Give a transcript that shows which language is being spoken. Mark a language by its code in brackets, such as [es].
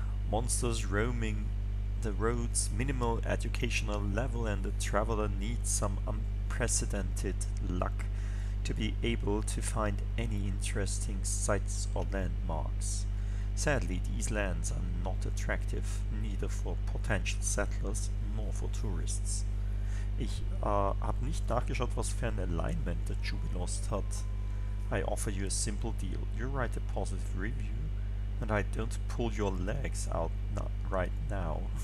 [en] Monsters roaming the roads, minimal educational level, and the traveler needs some unprecedented luck to be able to find any interesting sites or landmarks. Sadly, these lands are not attractive, neither for potential settlers nor for tourists. [de] Ich habe nicht nachgeschaut, was für ein Alignment der Jubilost hat. [en] I offer you a simple deal. You write a positive review and I don't pull your legs out right now.